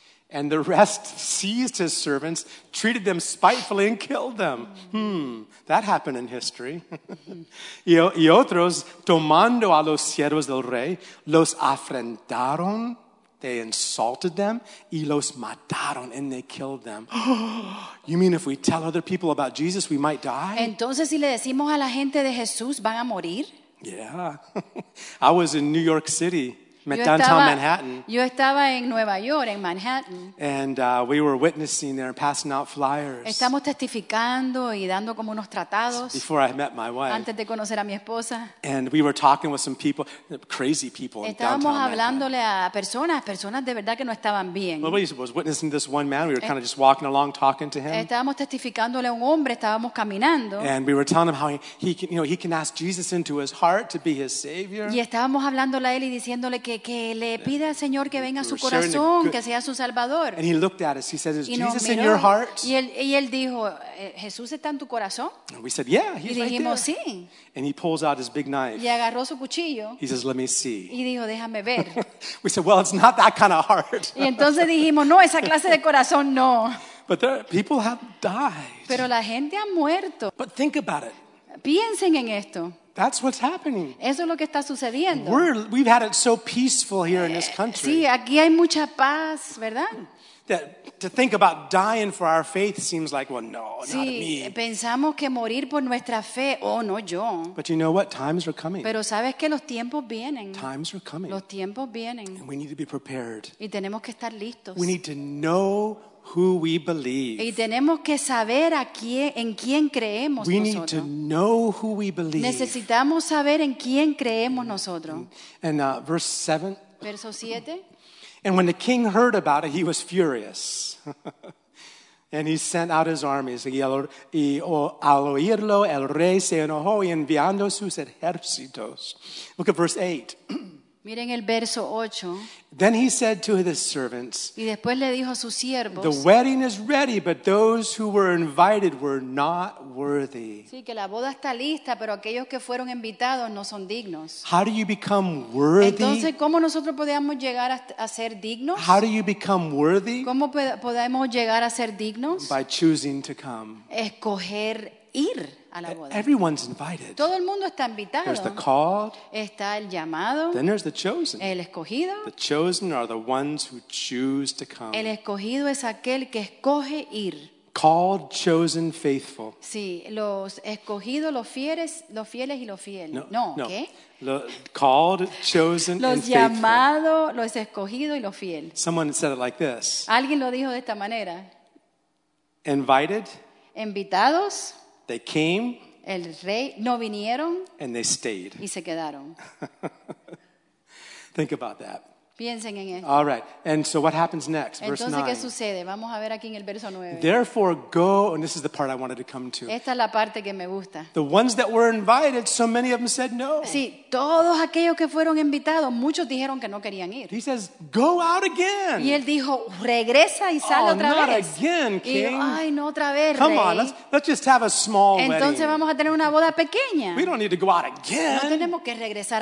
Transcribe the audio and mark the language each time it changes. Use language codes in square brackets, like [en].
[en] And the rest seized his servants, treated them spitefully, and killed them. That happened in history. [es] y otros, tomando a los siervos del rey, los afrentaron. [en] They insulted them, [es] y los mataron, [en] and they killed them. You mean if we tell other people about Jesus, we might die? [es] Entonces, si le decimos a la gente de Jesús, ¿van a morir? [en] Yeah. I was in New York City, downtown Manhattan. [es] Yo estaba en Nueva York, en Manhattan. [en] And we were witnessing there, passing out flyers. [es] Estamos testificando y dando como unos tratados. [en] Before I met my wife. [es] Antes de conocer a mi esposa. [en] And we were talking with some people, crazy people. [es] Estábamos hablándole a personas de verdad que no estaban bien. [en] Well, we was witnessing this one man. We were kind of just walking along, talking to him. [es] Estábamos testificándole a un hombre. Estábamos caminando. [en] And we were telling him how he can ask Jesus into his heart to be his savior. [es] Y estábamos hablándole a él y diciéndole que le pida al Señor que venga a su corazón, que sea su salvador. [en] And he looked at us. He says, "Is Jesus in your heart?" [es] Y él dijo, "¿Jesús está en tu corazón?" [en] And we said, "Yeah, he's right there." [es] Y dijimos, "Sí." [en] And he pulls out his big knife. [es] Y agarró su cuchillo. [en] He says, "Let me see." [es] Y dijo, "Déjame ver." [en] We said, "Well, it's not that kind of heart." [es] Y entonces dijimos, "No, esa clase de corazón no." [en] But people have died. [es] Pero la gente ha muerto. [en] But think about it. [es] Piensen en esto. [en] That's what's happening. [es] Eso es lo que está sucediendo. [en] We've had it so peaceful here in this country. [es] Sí, aquí hay mucha paz, ¿verdad? [en] That to think about dying for our faith seems like, well, no, [es] sí, [en] not me. [es] Pensamos que morir por nuestra fe, oh, no, yo. [en] But you know what? Times are coming. [es] Pero sabes que los tiempos vienen. [en] Times are coming. [es] Los tiempos vienen. [en] And we need to be prepared. [es] Y tenemos que estar listos. [en] We need to know who we believe. [es] Y tenemos que saber a quién, en quién creemos [en] we [es] nosotros. [en] We need to know who we believe. [es] Necesitamos saber en quién creemos nosotros. [en] And verse 7. [es] Verso 7. [en] And when the king heard about it, he was furious. And he sent out his armies. [es] Y al oírlo, el rey se enojó y enviando sus ejércitos. [en] Look at verse 8. [es] Miren el verso 8. [en] Then he said to his servants, [es] y después le dijo a sus siervos, [en] the wedding is ready, but those who were invited were not worthy. [es] Sí, que la boda está lista, pero aquellos que fueron invitados no son dignos. [en] How do you become worthy? [es] Entonces, ¿cómo nosotros podemos llegar a ser dignos? [en] How do you become worthy? [es] ¿Cómo podemos llegar a ser dignos? [en] By choosing to come. [es] Escoger ir. [en] Everyone's invited. [es] Todo el mundo está invitado. [en] There's the called. [es] Está el llamado. [en] Then there's the chosen. [es] El escogido. [en] The chosen are the ones who choose to come. [es] El escogido es aquel que escoge ir. [en] Called, chosen, faithful. [es] Sí, los escogidos, los fieles y los fieles. [en] No. [es] ¿Qué? [en] Called, chosen, [es] los [en] and [es] llamado, [en] faithful. [es] Los llamados, los escogidos y los fieles. [en] Someone said it like this. [es] Alguien lo dijo de esta manera. [en] Invited. [es] Invitados. [en] They came, [es] el rey, no vinieron, [en] and they stayed. [es] Y se quedaron. [en] Think about that. [es] Piensen en esto. [en] All right, and so what happens next? [es] Entonces, [en] verse 9. [es] ¿Qué sucede? Vamos a ver aquí en el verso 9. [en] Therefore go, and this is the part I wanted to come to. [es] Esta es la parte que me gusta. [en] The ones that were invited, so many of them said no. [es] Sí, todos aquellos que fueron invitados, muchos dijeron que no querían ir. [en] He says, go out again. [es] Y él dijo, regresa y sal oh, otra [en] not [es] vez. [en] Not again, king. [es] Y, ay, no otra vez, [en] come [es] rey. [en] On, let's just have a small [es] entonces, [en] wedding. [es] Entonces vamos a tener una boda pequeña. [en] We don't need to go out again. [es] No tenemos que regresar